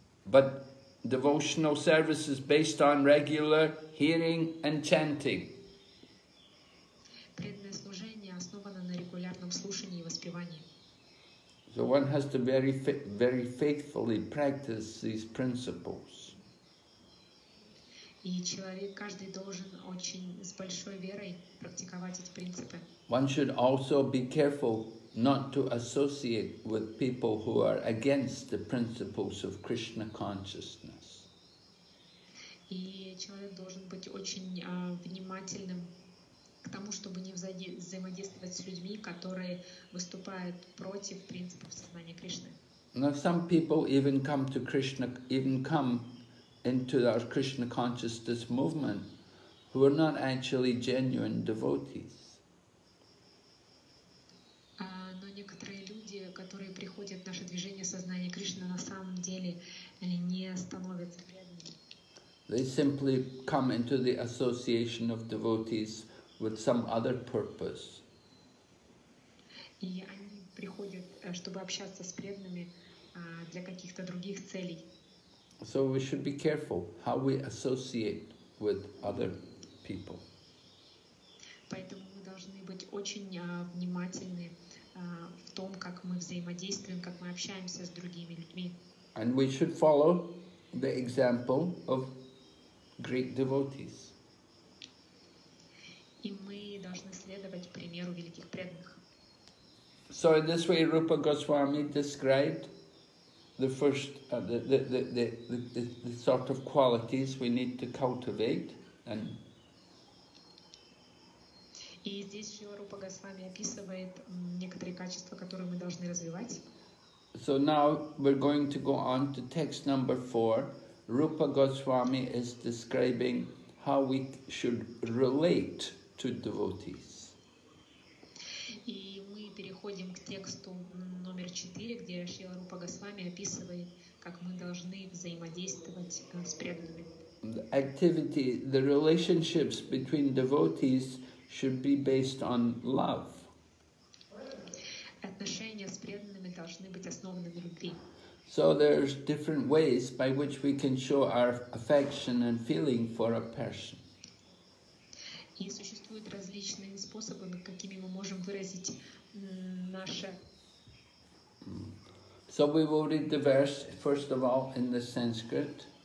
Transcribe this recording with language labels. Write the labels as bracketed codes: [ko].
[en] But devotional service is based on regular hearing and chanting. [ru] Преданное служение основано на регулярном слушании и воспевании. [en] So one has to very, very faithfully practice these principles. [ru] И человек каждый должен очень с большой верой практиковать эти принципы. [en] One should also be careful not to associate with people who are against the principles of Krishna consciousness. [ru] И человек должен быть очень внимательным к тому, чтобы не взаимодействовать с людьми, которые выступают против принципов сознания Кришны. [en] Now some people even come to Krishna, even come into our Krishna consciousness movement who are not actually genuine devotees. [ru] Но некоторые люди, которые приходят в наше движение сознания Кришны, на самом деле не становятся преданными. [en] They simply come into the association of devotees with some other purpose. [ru] И они приходят, чтобы общаться с преданными для каких-то других целей. [en] So we should be careful how we associate with other people. [ru] Поэтому мы должны быть очень внимательны в том, как мы взаимодействуем, как мы общаемся с другими людьми. [en] And we should follow the example of great devotees. [ru] И мы должны следовать примеру великих преданных. [en] So in this way, Rupa Goswami described the first the sort of qualities we need to cultivate. And [ru] и здесь же Рупа Госвами описывает некоторые качества, которые мы должны развивать. [en] So now we're going to go on to text number 4. Rupa Goswami is describing how we should relate to devotees. [ru] И мы переходим к тексту номер 4, где Шрила Рупа Госвами описывает, как мы должны взаимодействовать с преданными. [en] The activity, the relationships between devotees should be based on love. [ru] Отношения с преданными должны быть основаны на любви. [en] So there's different ways by which we can show our affection and feeling for a person. [ru] И существуют различные способы, какими мы можем выразить наше. [en] So we will read the verse first of all in the Sanskrit.